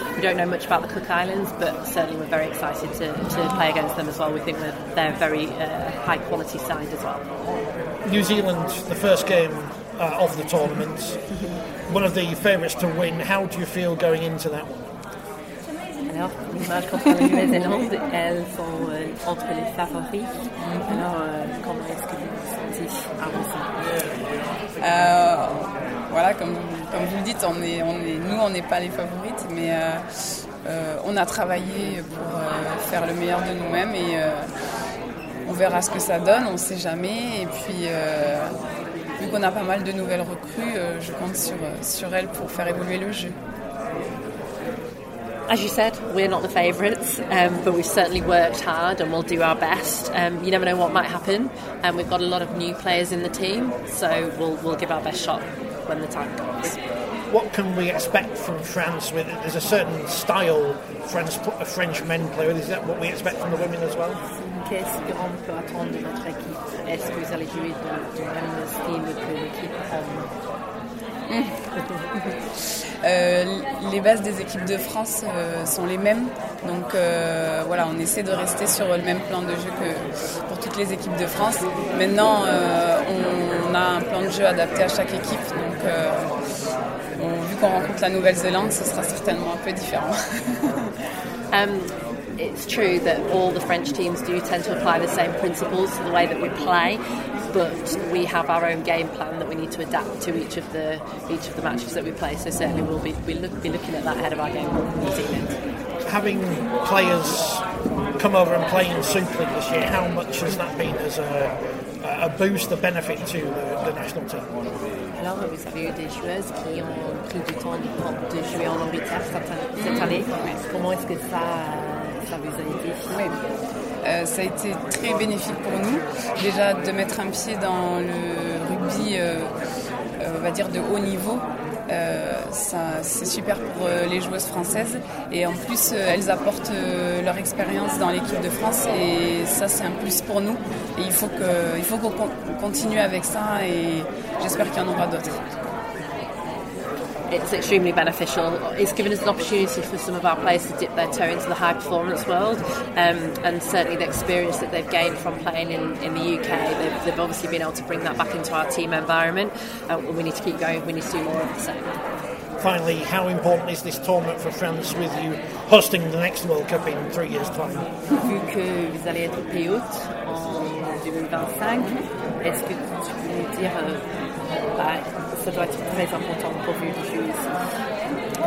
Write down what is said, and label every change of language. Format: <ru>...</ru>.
<en>We don't know much about the Cook Islands, but certainly we're very excited to play against them as well. We think that they're very high quality side as well. New Zealand, the first game of the tournament, one of the favourites to win. How do you feel going into that one?</en> <fr>L'image contre la Nouvelle-Zélande, elles sont entre les favoris. Alors, comment est-ce que vous vous sentez avant ça? Voilà, comme vous le dites, on n'est pas les favorites, mais on a travaillé pour faire le meilleur de nous-mêmes et on verra ce que ça donne, on ne sait jamais. Et puis, vu qu'on a pas mal de nouvelles recrues, je compte sur elles pour faire évoluer le jeu.</fr> <en>As you said, we're not the favourites, but we've certainly worked hard and we'll do our best. You never know what might happen, and we've got a lot of new players in the team, so we'll give our best shot when the time comes. What can we expect from France? There's a certain style French men play with. Is that what we expect from the women as well?</en> <fr>Qu'est-ce qu'on peut attendre de notre équipe? Est-ce que vous allez jouer dans le style que l'équipe prend? Les bases des équipes de France sont les mêmes, donc voilà, on essaie de rester sur le même plan de jeu que pour toutes les équipes de France. Maintenant, on a un plan de jeu adapté à chaque équipe, donc vu qu'on rencontre la Nouvelle-Zélande, ce sera certainement un peu différent.</fr> <en>It's true that all the French teams do tend to apply the same principles to the way that we play, but we have our own game plan that we need to adapt to each of the matches that we play. So certainly we'll be looking at that ahead of our game in New Zealand. Having players come over and play in Super League this year, how much has that been as a boost, a benefit to the national team?</en> <fr>Alors, vous avez eu des joueuses qui ont pris du temps de jouer en Angleterre cette année. Comment est-ce que ça vous a aidé? Oui. Ça a été très bénéfique pour nous, déjà de mettre un pied dans le rugby, on va dire, de haut niveau. Ça, c'est super pour les joueuses françaises et en plus elles apportent leur expérience dans l'équipe de France et ça c'est un plus pour nous et il faut qu'on continue avec ça et j'espère qu'il y en aura d'autres.</fr> <en>It's extremely beneficial. It's given us an opportunity for some of our players to dip their toe into the high performance world, and certainly the experience that they've gained from playing in the UK, they've obviously been able to bring that back into our team environment, and we need to keep going, we need to do more of the same. Finally, how important is this tournament for France with you hosting the next World Cup in 3 years' time?</en> <fr>Vu que vous allez être au pays août en 2025, est-ce que tu peux nous dire ça doit être très important pour vous de jouer ici?</fr>